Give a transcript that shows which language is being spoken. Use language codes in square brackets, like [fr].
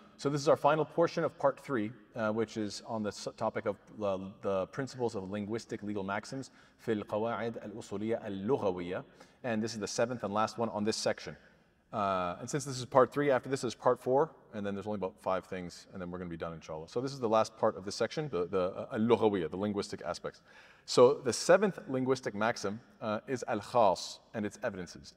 [en] So this is our final portion of part three, which is on the topic of the principles of linguistic legal maxims. [ar] في القواعد الأصولية اللغوية. [en] And this is the seventh and last one on this section. And since this is part three, after this is part four, and then there's only about five things, and then we're going to be done, inshallah. So this is the last part of this section, the linguistic aspects. So the seventh linguistic maxim is al-khas and its evidences.